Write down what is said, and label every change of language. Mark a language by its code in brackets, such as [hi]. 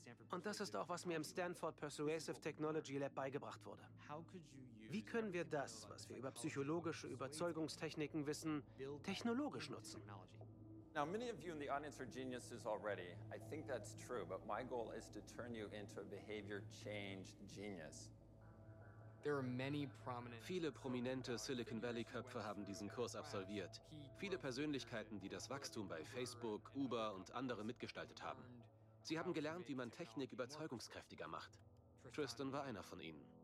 [de] Und das ist auch, was mir im Stanford Persuasive Technology Lab beigebracht wurde. Wie können wir das, was wir über psychologische Überzeugungstechniken wissen, technologisch nutzen? [en] Now, many of you in the audience are geniuses already. I think that's true, but my goal is to turn you into a behavior change genius. There are many prominent. [de] Viele prominente Silicon Valley-Köpfe haben diesen Kurs absolviert. Viele Persönlichkeiten, die das Wachstum bei Facebook, Uber und anderen mitgestaltet haben. Sie haben gelernt, wie man Technik überzeugungskräftiger macht. Tristan war einer von ihnen.